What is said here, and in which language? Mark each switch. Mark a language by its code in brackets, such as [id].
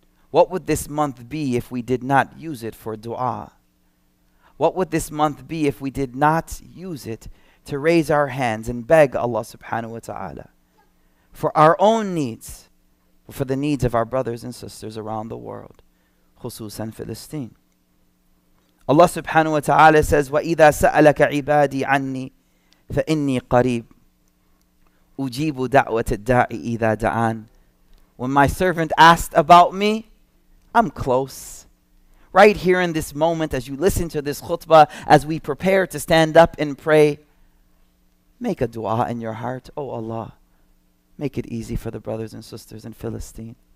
[en] What would this month be if we did not use it for dua? What would this month be if we did not use it to raise our hands and beg Allah subhanahu wa ta'ala for our own needs, for the needs of our brothers and sisters around the world, khususan Philistine. Allah subhanahu wa ta'ala says, [ar] وَإِذَا سَأَلَكَ عِبَادِي عَنِّي فَإِنِّي قَرِيبٌ أُجِيبُ دَعْوَةَ الدَّاعِ إِذَا دَعَانِ. [en] When my servant asked about me, I'm close. Right here in this moment, as you listen to this khutbah, as we prepare to stand up and pray, make a dua in your heart. Oh Allah, make it easy for the brothers and sisters in Philistine.